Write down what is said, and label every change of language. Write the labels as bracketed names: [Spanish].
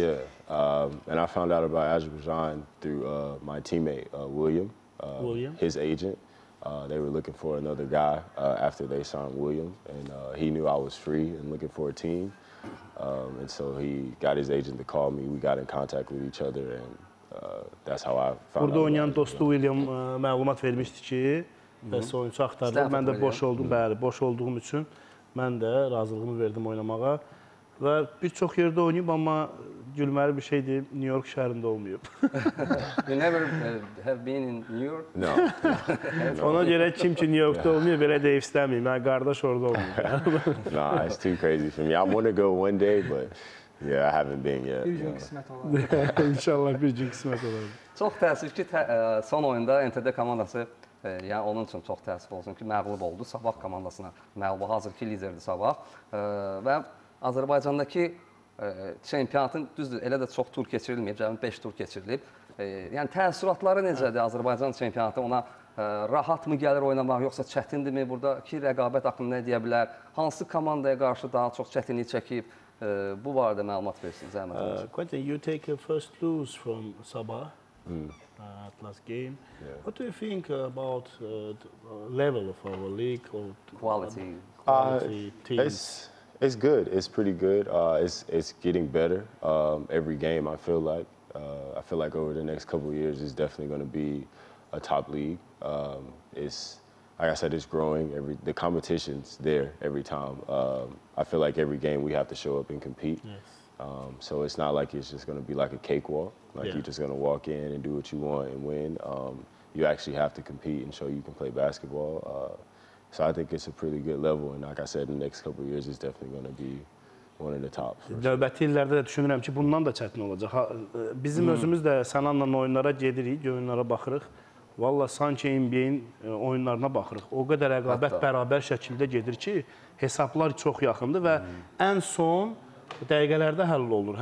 [English] Yeah, and I found out about Azerbaijan through my teammate, William. William? His agent. They were looking for another guy after they signed William. And he knew I was free and looking for a team. And so he got his agent to call me. We got in contact with each other, and that's how I found out. [Azerbaijani] Burada oynayan dostu William məlumat vermişdi ki, bəs oyuncu axtarılır. Mən də boş oldum, bəli, boş olduğum üçün mən də razılığımı verdim oynamağa. Və bir çox yerdə oynayıb, amma gülməli bir şeydir, New York şəhərində olmayıb. [English] You never have been in New York? No. [Azerbaijani] Ona görə kim ki New York'da olmayıb, belə deyib istəmiyim. Mən qardaş orada olmayıb. [English] No, it's too crazy for me. I want to go one day, but yeah, I haven't been yet. [Azerbaijani] Bir gün qismət olar. İnşallah bir gün qismət olar. Çox təəssüf ki, son oyunda NTD komandası, yəni onun üçün çox təəssüf olsun ki, məğlub oldu. Sabah komandasına məğlub, hazır ki, liderdir sabah. Və Azərbaycandakı çempionatın, düzdür, elə də çox tur keçirilməyib, cəmi 5 tur keçirilib. Yəni, təəssüratları necədir Azərbaycan çempionatı? Ona rahat mı gəlir oynamaq, yoxsa çətindirmi? Buradakı rəqabət haqqında nə deyə bilər? Hansı komandaya qarşı daha çox çətinlik çəkib? Bu barədə məlumat versin, zəhmət olsun. [English] Quentin, you take a first lose from Sabah. At last game. Yeah. What do you think about the level of our league? Or quality. Quality team? It's good. It's pretty good. It's getting better every game, I feel like. I feel like over the next couple of years, it's definitely going to be a top league. It's, like I said, it's growing. The competition's there every time. I feel like every game we have to show up and compete. Yes. So it's not like it's just going to be like a cakewalk. Like you're just going to walk in and do what you want and win. You actually have to compete and show you can play basketball. So I think it's a pretty good level, and like I said, the next couple of years is definitely going to be one of the top. [Azerbaijani] Növbəti illərdə də düşünürəm ki, bundan da çətin olacaq. Bizim özümüz də Sənanla oyunlara gedirik, oyunlara baxırıq. Valla sanki NBA-in oyunlarına baxırıq. O qədər rəqabət bərabər şəkildə gedir ki, hesablar çox yaxındır və ən son dəqiqələrdə həll olunur.